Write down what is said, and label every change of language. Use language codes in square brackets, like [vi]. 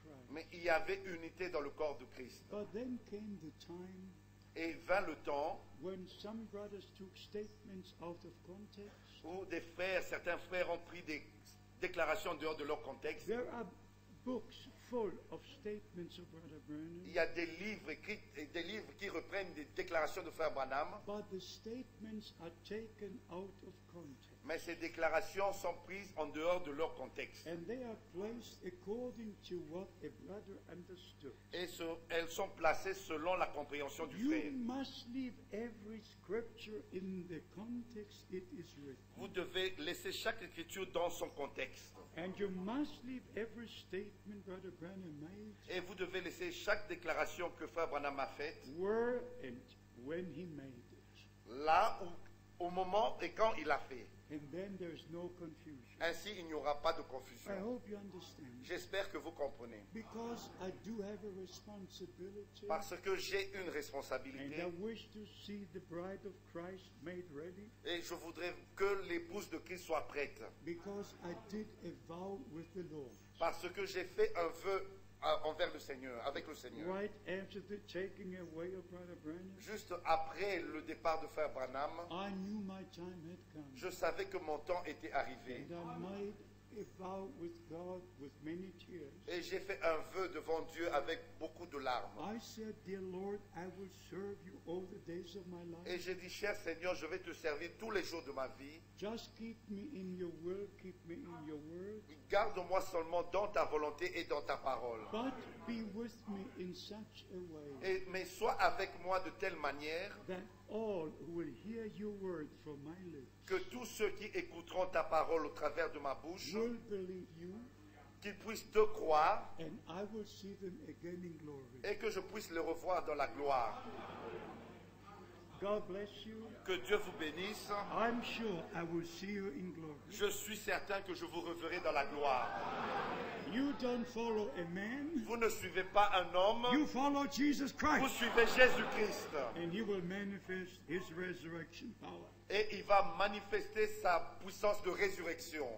[fr] Mais il y avait unité dans le corps de Christ. [en] But then came the time. [fr] Et vint le temps [en] when some brothers took statements out of context, [fr] où des frères, certains frères ont pris des déclarations dehors de leur contexte. [en] There are books full of statements of Brother Branham, [fr] il y a des livres écrits et des livres qui reprennent des déclarations de Frère Branham. [en] But the statements are taken out of context. [fr] Mais ces déclarations sont prises en dehors de leur contexte. [en] And they are placed according to what a brother understood. [fr] Et elles sont placées selon la compréhension du frère. [en] You must leave every scripture in the context it is written. [fr] Vous devez laisser chaque écriture dans son contexte. [en] And you must leave every statement Brother Branham made. [fr] Et vous devez laisser chaque déclaration que Frère Branham a faite. [en] Where and when he made it. [fr] Là où, au moment et quand il l'a fait. [en] And then there's no confusion. [fr] Ainsi, il n'y aura pas de confusion. [en] I hope you understand. [fr] J'espère que vous comprenez. [en] Because I do have a responsibility. [fr] Parce que j'ai une responsabilité. [en] And I wish to see the bride of Christ made ready. [fr] Et je voudrais que l'épouse de Christ soit prête. [en] Because I did a vow with the Lord. [fr] Parce que j'ai fait un vœu envers le Seigneur, avec le Seigneur. [en] Right after the taking away of Brother Branham, [fr] juste après le départ de Frère Branham, [en] I knew my time had come. [fr] Je savais que mon temps était arrivé. [en] And I made a vow with God with many tears. [fr] Et j'ai fait un vœu devant Dieu avec beaucoup de larmes. [en] I said, Dear Lord, I will serve you all the days of my life. [fr] Et j'ai dit, cher Seigneur, je vais te servir tous les jours de ma vie. [en] Just keep me in your will, keep me in your word. [fr] Garde-moi seulement dans ta volonté et dans ta parole. [en] But be with me in such a way. [fr] Mais sois avec moi de telle manière [en] that all will hear your word from my lips. [fr] Que tous ceux qui écouteront ta parole au travers de ma bouche [en] will believe you. [fr] Qu'ils puissent te croire. [en] And I will see them again in glory. [fr] Et que je puisse les revoir dans la gloire. [en] God bless you. [fr] Que Dieu vous bénisse. [en] I'm sure I will see you in glory. [fr] Je suis certain que je vous reverrai dans la gloire. [en] You don't follow a man. [fr] Vous ne suivez pas un homme. [en] You follow Jesus Christ. [fr] Vous suivez Jésus-Christ. [en] And he will manifest his resurrection power. [fr] Et il va manifester sa puissance de résurrection.